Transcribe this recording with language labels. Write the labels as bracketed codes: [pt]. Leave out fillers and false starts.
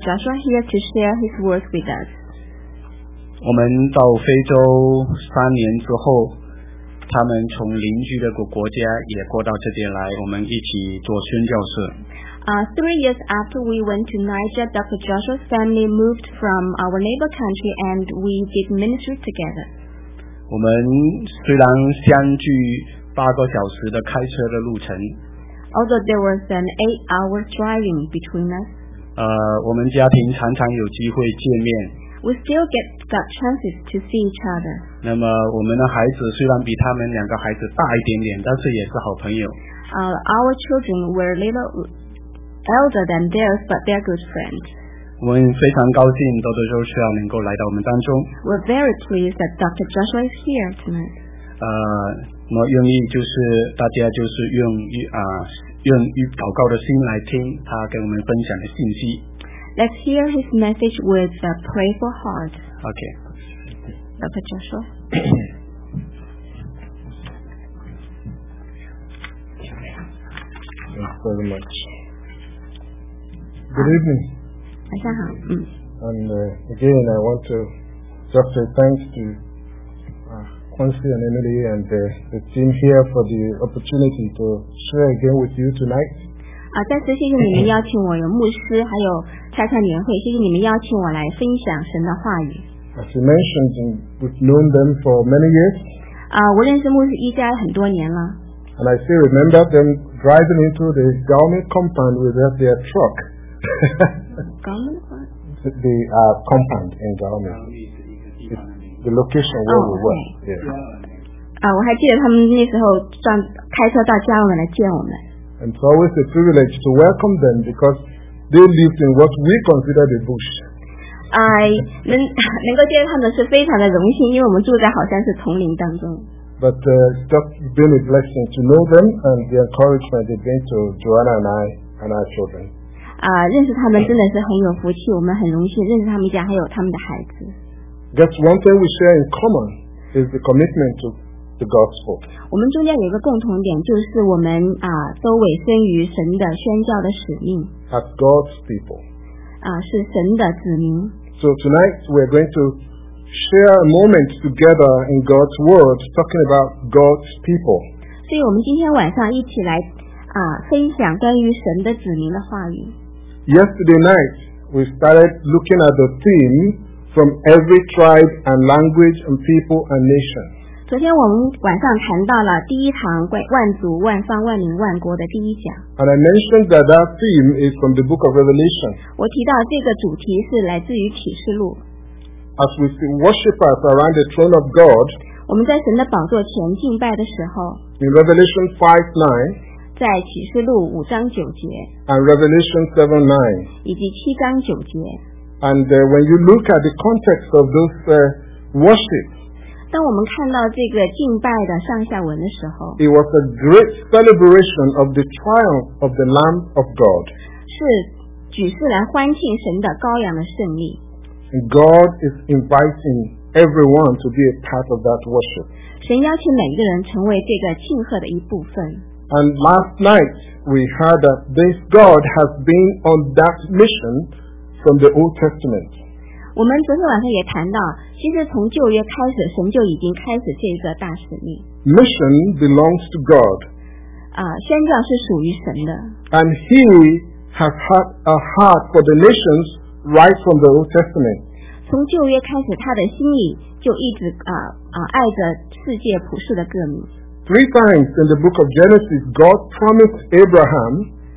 [en] Joshua here to share His words with us. [zh] 我们到非洲三年之后，他们从邻居的国家也过到这边来，我们一起做宣教士。 [en] 3 years after we went to Niger, Dr. Joshua's family moved from our neighbor country and we did ministry together. [zh] 我们虽然相距8个小时的开车的路程， [en] although there was an 8-hour driving between us, [zh] 我们家庭常常有机会见面。 [en] We still get that chances to see each other. [zh] 那么我们的孩子虽然比他们两个孩子大一点点，但是也是好朋友。 [en] Our children were a little elder than theirs, but they're good friends. [zh] 我们非常高兴 Dr. Joshua 能够来到我们当中。 [en] We're very pleased that Dr. Joshua is here tonight. [zh] 那么愿意就是大家就是用用祷告的心来听他跟我们分享的信息。 [en] Let's hear his message with a prayerful heart. Okay. Dr. Joshua. Thank you very much. Good evening. [zh] 晚上好。 [en] And again, I want to just say thanks to Quincy and Emily and the team here for the opportunity to share again with you tonight. [zh] 再次谢谢你们邀请我，有牧师，还有蔡蔡年会，谢谢你们邀请我来分享神的话语。 [en] As you mentioned, we've known them for many years. [zh] 我认识牧师一家很多年了。 [en] And I still remember them driving into the government compound with their truck. Government? The compound in government. The location where we were. Yeah. [zh] 我还记得他们那时候上开车到家门来见我们。 [en] And it's always a privilege to welcome them because they lived in what we consider the bush. [zh] 能够见到他们是非常的荣幸，因为我们住在好像是丛林当中。 [en] But it's just been a blessing to know them and the encouragement they bring to Joanna and I and our children. [zh] 认识他们真的是很有福气，我们很荣幸认识他们家还有他们的孩子。 [en] That's one thing we share in common is the commitment to. The gospel. [zh] 我们中间有一个共同点，就是我们都委身于神的宣教的使命。 [en] As God's people. [zh] 是神的子民。 [en] So tonight we're going to share a moment together in God's word, talking about God's people. [zh] 所以我们今天晚上一起来分享关于神的子民的话语。 [en] Yesterday night we started looking at the theme from every tribe and language and people and nation. [zh] 昨天我们晚上谈到了第一堂万族万方万民万国的第一讲。 [en] And I mentioned that that theme is from the book of Revelation. [zh] 我提到这个主题是来自于启示录。 [en] As we see worshippers around the throne of God. [zh] 我们在神的宝座前敬拜的时候。 [en] In Revelation 5:9. [zh] 在启示录5:9. [en] And Revelation 7:9. [zh] 以及7:9. [en] And when you look at the context of those worship. [zh] 当我们看到这个敬拜的上下文的时候， [en] It was a great celebration of the triumph of the Lamb of God. [zh] 是举世来欢庆神的羔羊的胜利。 [en] God is inviting everyone to be a part of that worship. [zh] 神邀请每一个人成为这个庆贺的一部分。 [en] And last night we heard that this God has been on that mission from the Old Testament. [zh] 我们昨天晚上也谈到，其实从旧约开始，神就已经开始这个大使命。 [en] Mission belongs to God. [zh] 宣教是属于神的。 [en] And He has had a heart for the nations right from the Old Testament. [zh] 从旧约开始，他的心里就一直爱着世界普世的各民。 [en] Three times in the book of Genesis, God promised Abraham.